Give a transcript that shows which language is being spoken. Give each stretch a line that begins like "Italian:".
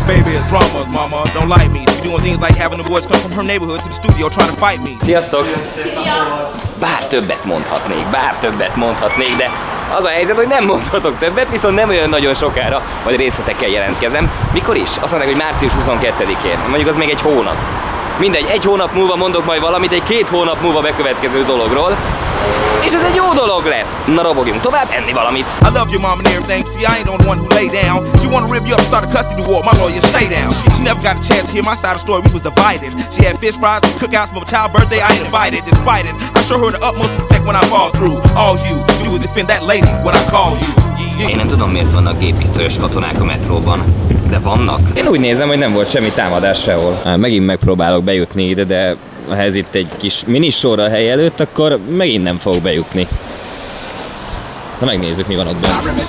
English: Baby, it's drama, mama, don't like me. She doing things like having the boys come from her neighborhood to the studio trying to fight me.
Hungarian: Sziasztok! Bár többet mondhatnék, de az a helyzet, hogy nem mondhatok többet, viszont nem olyan nagyon sokára, majd részletekkel jelentkezem. Mikor is? Azt mondták, hogy március 22-én. Mondjuk az még egy hónap. Mindegy, egy hónap múlva mondok majd valamit, egy két hónap múlva bekövetkező dologról. És ez egy jó dolog lesz! Na robogjunk tovább, enni valamit!
English: I love your mom and everything, see I ain't the only one who lay down. She wanna rip you up, start a custody war, my lawyer stay down. She never got a chance to hear my side of the story, we was divided. She had fish fries and cookouts for my child's birthday, I ain't invited. Despite it, I show her the utmost respect when I fall through. All you do is defend that lady when I call you. Yeah.
Hungarian: tudom, miért vannak gépisztolyos katonák a metróban, de vannak. Én úgy nézem, hogy nem volt semmi támadás sehol. Megint megpróbálok bejutni ide, de ha ez itt egy kis minisor a hely előtt, akkor megint nem fogok bejutni. Na megnézzük, mi van ott benne.